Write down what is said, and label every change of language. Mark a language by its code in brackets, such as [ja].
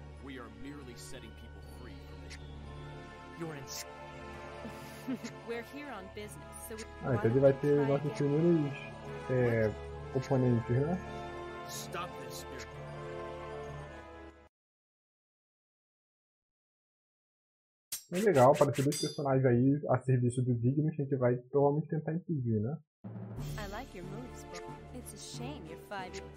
[en] We are merely setting people free from this. You're in. We're here on business, so we. [pt] Ah, então ele vai ter nossos primeiros oponentes, né? [en] Stop this spirit. [pt] É legal, apareceu dois personagens aí a serviço do Dignus, a gente vai provavelmente tentar impedir, né? [en] I like your moves, but it's a shame you're 5 years.